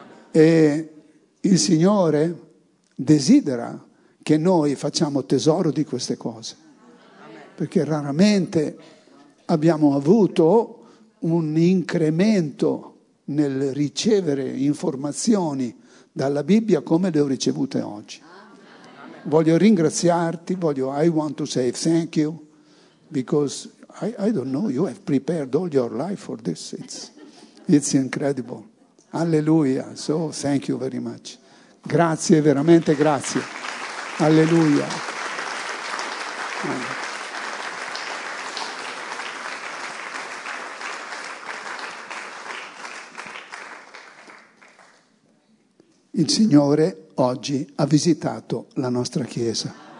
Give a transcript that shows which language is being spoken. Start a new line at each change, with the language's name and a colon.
Italian: E il Signore desidera che noi facciamo tesoro di queste cose. Perché raramente abbiamo avuto un incremento nel ricevere informazioni dalla Bibbia come le ho ricevute oggi. Voglio ringraziarti,
English: I want to say thank you, because I don't know, you have prepared all your life for this. It's incredible. Alleluia, so thank you very much.
Italian: Grazie, veramente grazie. Alleluia. Il Signore oggi ha visitato la nostra Chiesa.